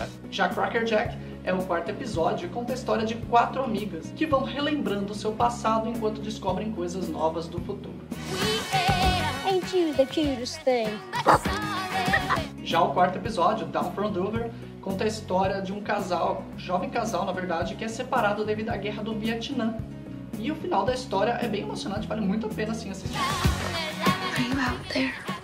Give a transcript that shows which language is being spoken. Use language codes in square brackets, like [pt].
[pt] Já Cracker Jack é o quarto episódio e conta a história de 4 amigas que vão relembrando seu passado enquanto descobrem coisas novas do futuro. [en] Ain't you the cutest thing? [pt] Já o quarto episódio, Down From Dover, conta a história de um casal, jovem casal na verdade, que é separado devido à guerra do Vietnã. E o final da história é bem emocionante, vale muito a pena assim assistir. [en] Are you out there?